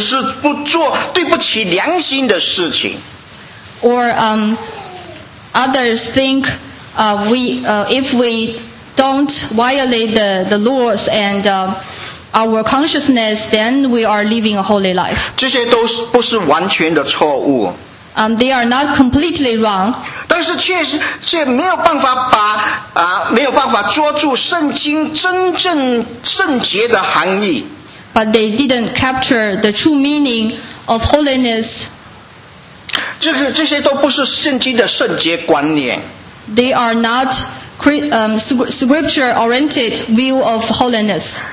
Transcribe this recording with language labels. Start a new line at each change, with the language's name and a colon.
Chinese: 也有人认为过圣洁的生活就是不做触犯法律的事情，或者是不做对不起良心的事情。
English: Or others think if we don't violate the laws and our consciousness, then we are living a holy life.
Chinese: 这些都不是完全的错误。
English: They are not completely wrong.
Chinese: 但是却没有办法抓住圣经真正圣洁的含义。
English: But they didn't capture the true meaning of holiness.
Chinese: 这些都不是圣经的圣洁观念。
English: They are not scripture-oriented view of holiness.